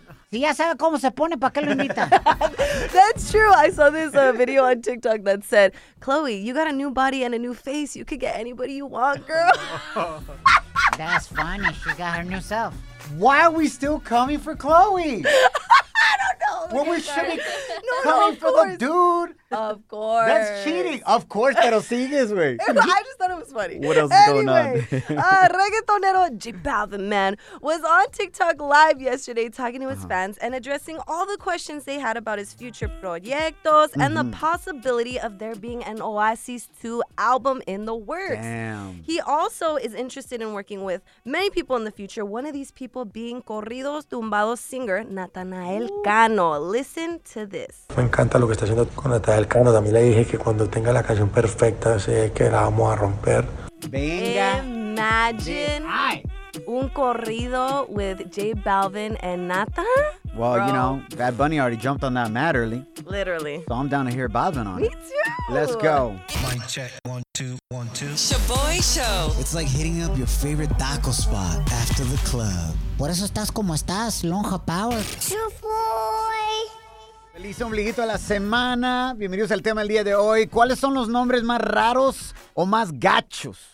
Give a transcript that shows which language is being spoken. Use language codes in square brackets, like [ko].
[es] Si ya sabe cómo se pone, ¿para qué lo invita? [en] That's true. I saw this video on TikTok that said, Chloe, you got a new body and a new face. You could get anybody you want, girl. That's funny. She got her new self. Why are we still coming for Chloe? Well, we should be coming for the dude. Of course. That's cheating. Of course, [es] pero sigue, güey. [en] I just thought it was funny. What else is going on? reggaetonero J Balvin, man, was on TikTok Live yesterday talking to his fans and addressing all the questions they had about his future proyectos and the possibility of there being an Oasis 2 album in the works. Damn. He also is interested in working with many people in the future, one of these people being Corridos Tumbados singer Natanael Cano. Listen to this. [es] Me encanta lo que está haciendo con Natanael Cano. También le dije que cuando tenga la canción perfecta, sé que la vamos a romper. Venga. [en] Imagine un corrido with J Balvin and Nata. Well, you know, Bad Bunny already jumped on that Matterly. Literally. So I'm down to hear Balvin on Me it. Me too. Let's go. Mic check. 1, 2, 1, 2. Shaboy Show. It's like hitting up your favorite taco spot after the club. [es] Por eso estás como estás, Lonja Power. [en] Shaboy. [es] Feliz ombliguito de la semana. Bienvenidos al tema del día de hoy. ¿Cuáles son los nombres más raros o más gachos?